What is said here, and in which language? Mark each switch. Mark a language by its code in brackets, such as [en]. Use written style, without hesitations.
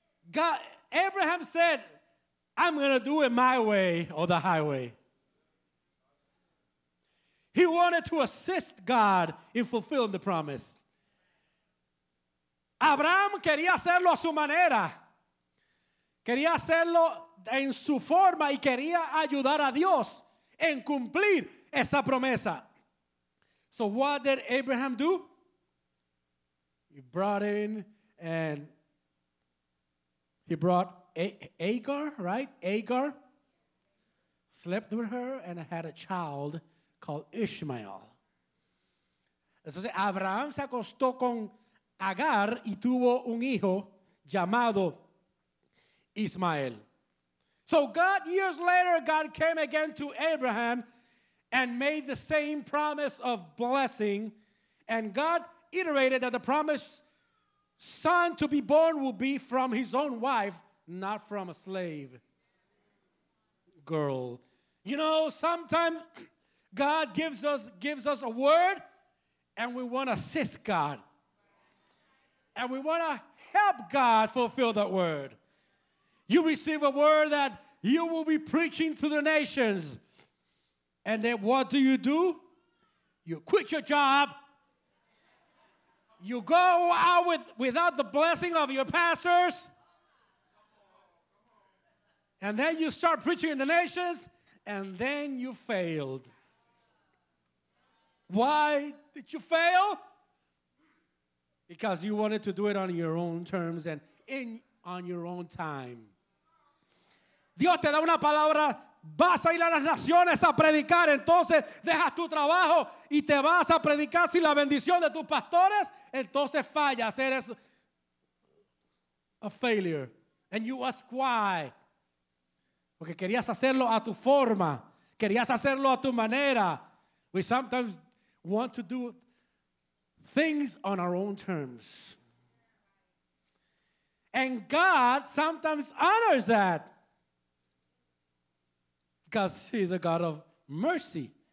[en] God, Abraham said, I'm going to do it my way or the highway. He wanted to assist God in fulfilling the promise. [es] Abraham quería hacerlo a su manera. Quería hacerlo en su forma y quería ayudar a Dios en cumplir esa promesa. [en] So what did Abraham do? He brought in and he brought Agar, right? Agar slept with her and had a child called Ishmael. [es] Entonces Abraham se acostó con Agar y tuvo un hijo llamado Ishmael. [en] So God, years later, God came again to Abraham and made the same promise of blessing. And God iterated that the promised son to be born will be from his own wife, not from a slave girl. You know, sometimes God gives us a word and we want to assist God. And we want to help God fulfill that word. You receive a word that you will be preaching to the nations. And then what do? You quit your job. You go out without the blessing of your pastors. And then you start preaching in the nations. And then you failed. Why did you fail? Because you wanted to do it on your own terms and on your own time. [es] Dios te da una palabra, vas a ir a las naciones a predicar, entonces dejas tu trabajo y te vas a predicar sin la bendición de tus pastores, entonces fallas, eres [en] a failure. And you ask why. [es] Porque querías hacerlo a tu forma, querías hacerlo a tu manera. [en] We sometimes want to do things on our own terms. And God sometimes honors that. Because he's a God of mercy.